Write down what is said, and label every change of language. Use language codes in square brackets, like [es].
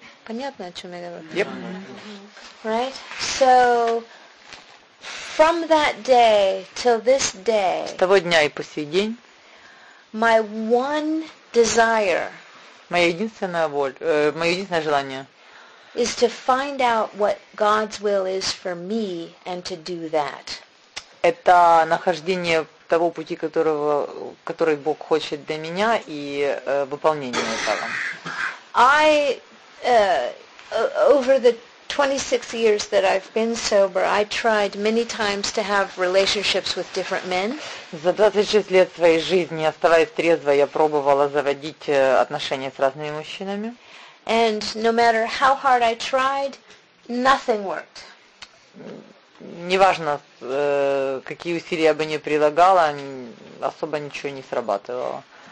[ru] Понятно, о чем я говорю? [en] Yep. Right? So, from that day till this day, [ru] с того дня и по сей день, [en] my one desire, [ru] мое единственное желание, [en] is to find out what God's will is for me and to do that. [ru] Это нахождение того пути, который Бог хочет для меня, и выполнение этого. [en] I over the 26 years that I've been sober, I tried many times to have relationships with different men. [ru] За 26 лет своей жизни, оставаясь трезвой, я пробовала заводить отношения с разными мужчинами. [en] And no matter how hard I tried, nothing worked. [ru] Неважно, какие усилия я бы ни прилагала, особо ничего не срабатывало.